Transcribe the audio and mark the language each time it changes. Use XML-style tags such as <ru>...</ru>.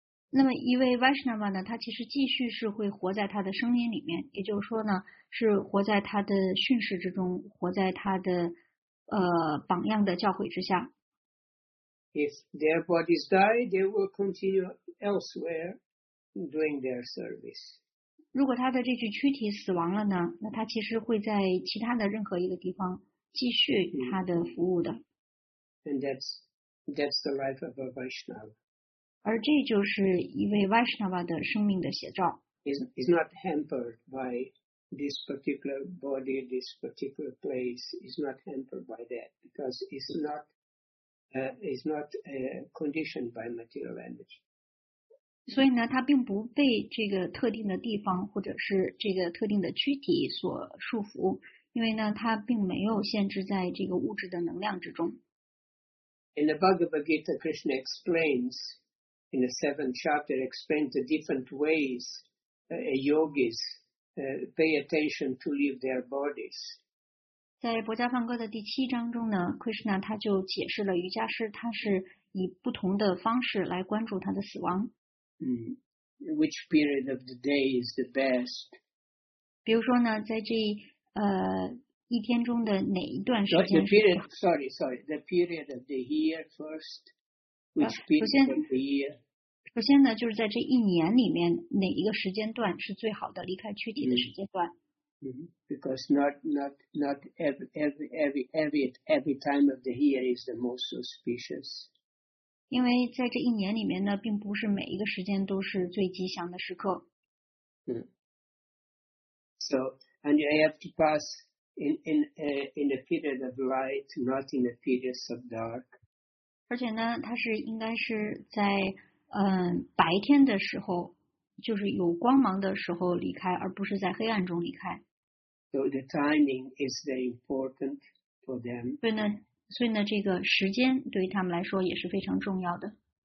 <zh>那么一位 Vaishnava 呢，他其实继续是会活在他的声音里面，也就是说呢，是活在他的训示之中，活在他的榜样的教诲之下。</zh> <en>If their bodies die, they will continue elsewhere doing their service.</en> <zh>如果他的这具躯体死亡了呢，那他其实会在其他的任何一个地方继续他的服务的。</zh> <en>And that's the life of a Vaishnava.</en> <zh>而这就是一位 Vaishnava 的生命的写照。</zh> <en>He's not hampered by this particular body, this particular place. He's not hampered by that because he's not conditioned by material energy.</en> <zh>所以呢，他并不被这个特定的地方或者是这个特定的躯体所束缚，因为呢，他并没有限制在这个物质的能量之中。</zh> <en>In the Bhagavad Gita, Krishna explains. In the seventh chapter, explains the different ways yogis pay attention to leave their bodies.</en> <zh>在《博伽梵歌》的第七章中呢 ，Krishna 他就解释了瑜伽师他是以不同的方式来关注他的死亡。</zh> <en>Which period of the day is the best?</en> <zh>比如说呢，在这一天中的哪一段时间</zh> <en>The period of the year first.</en> <zh>首先呢，就是在这一年里面，哪一个时间段是最好的离开躯体的时间段？</zh> <en>Because not every time of the year is the most auspicious.</en> <zh>因为在这一年里面呢，并不是每一个时间都是最吉祥的时刻。</zh> <en>So, and you have to pass in a period of light, not in a period of dark.</en> <zh>而且呢，它是应该是在白天的时候，就是有光芒的时候离开，而不是在黑暗中离开。</zh> <en>So the timing is very important for them.</en> <zh>所以呢，这个时间对于他们来说也是非常重要的。</zh>